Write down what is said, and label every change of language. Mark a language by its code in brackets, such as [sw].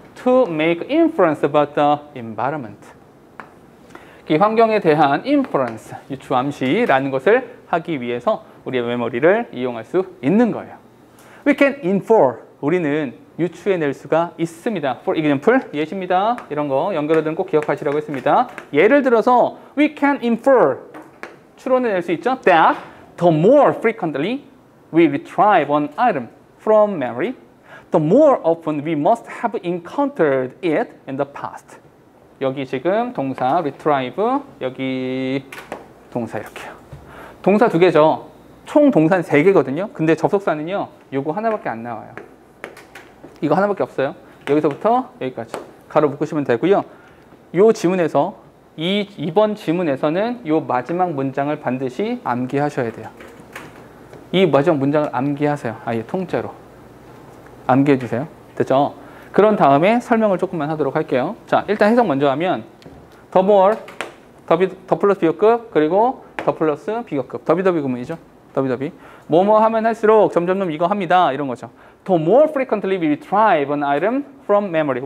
[en] To make inference about the environment. [ko] 이 환경에 대한 inference, 유추암시라는 것을 하기 위해서 우리의 메모리를 이용할 수 있는 거예요. [en] We can infer. [ko] 우리는 유추해낼 수가 있습니다. [en] For example, [ko] 예시입니다. 이런 거 연결어들은 꼭 기억하시라고 했습니다. 예를 들어서 [en] we can infer, [ko] 추론을 낼 수 있죠. [en] That the more frequently we retrieve an item from memory, the more often we must have encountered it in the past. [ko] 여기 지금 동사 retrieve, 여기 동사 이렇게요. 동사 두 개죠. 총 동사는 세 개거든요. 근데 접속사는요, 요거 하나밖에 안 나와요. 이거 하나밖에 없어요. 여기서부터 여기까지 가로 묶으시면 되고요. 요 지문에서 이번 지문에서는 요 마지막 문장을 반드시 암기하셔야 돼요. 이 마지막 문장을 암기하세요. 아예 통째로 암기해 주세요. 됐죠? 그런 다음에 설명을 조금만 하도록 할게요. 자, 일단 해석 먼저 하면 the more, the 플러스 비교급, 그리고 the 플러스 비교급, 더비더비 구문이죠. 더비더비 뭐뭐 하면 할수록 점점점 이거 합니다. 이런 거죠. [en] The more frequently we retrieve an item from memory.